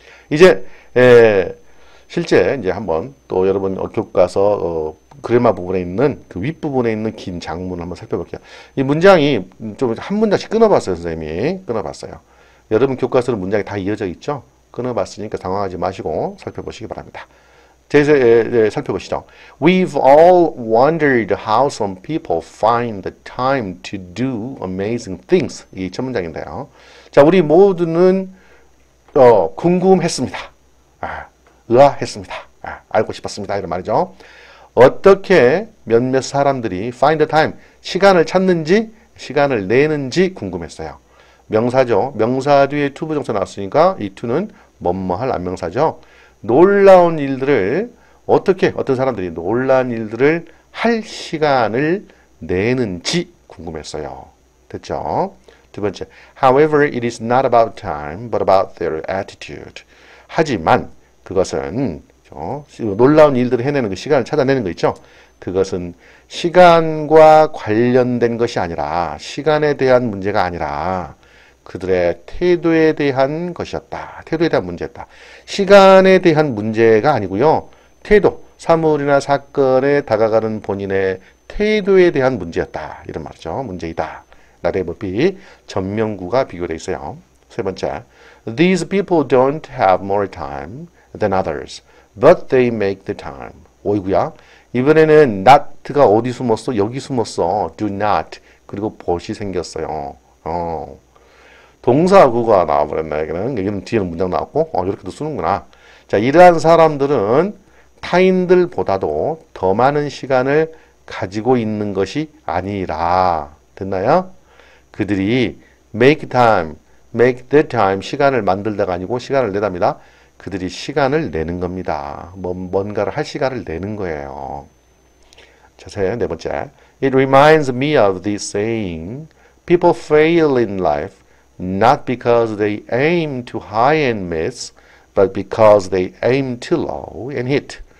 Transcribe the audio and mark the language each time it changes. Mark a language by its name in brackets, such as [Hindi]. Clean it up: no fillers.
[Korean] 이제, 실제 이제 한번 또 여러분 교과서 그래마 부분에 있는 그 윗부분에 있는 긴 장문을 한번 살펴볼게요. 이 문장이 좀한 문장씩 끊어봤어요, 선생님이. 끊어봤어요. 여러분 교과서는 문장이 다 이어져 있죠? 끊어봤으니까 당황하지 마시고 살펴보시기 바랍니다. 살펴보시죠. [English] We've all wondered how some people find the time to do amazing things. [Korean] 이첫 문장인데요. 자, 우리 모두는 궁금했습니다. 의아했습니다. 알고 싶었습니다. 이런 말이죠. 어떻게 몇몇 사람들이 [English] find the time, [Korean] 시간을 찾는지, 시간을 내는지 궁금했어요. 명사죠. 명사 뒤에 to 부정사 나왔으니까 이 to는 뭐뭐 할 안명사죠. 놀라운 일들을 어떻게 어떤 사람들이 놀란 일들을 할 시간을 내는지 궁금했어요. 됐죠? 두 번째, [English] however, it is not about time, but about their attitude. [Korean] 하지만 그것은, 놀라운 일들을 해내는 그 시간을 찾아내는 거 있죠? 그것은 시간과 관련된 것이 아니라, 시간에 대한 문제가 아니라, 그들의 태도에 대한 것이었다. 태도에 대한 문제였다. 시간에 대한 문제가 아니고요. 태도, 사물이나 사건에 다가가는 본인의 태도에 대한 문제였다. 이런 말이죠. 문제이다. 나대의 법이 전명구가 비교되어 있어요. 세 번째, [English] these people don't have more time than others, but they make the time. [Korean] 오이구야. 이번에는 not가 어디 숨었어? 여기 숨었어. do not. 그리고 but이 생겼어요. 동사구가 나와버렸네. 여기는 뒤에는 문장 나왔고, 이렇게도 쓰는구나. 자, 이러한 사람들은 타인들보다도 더 많은 시간을 가지고 있는 것이 아니라. 됐나요? 그들이 [English] make the time. [Korean] 시간을 만들다가 아니고 시간을 내답니다. 그들이 시간을 내는 겁니다. 뭔가를 할 시간을 내는 거예요. 자, 네 번째. [English] It reminds me of this saying, people fail in life not because they aim too high and miss, but because they aim too low and hit.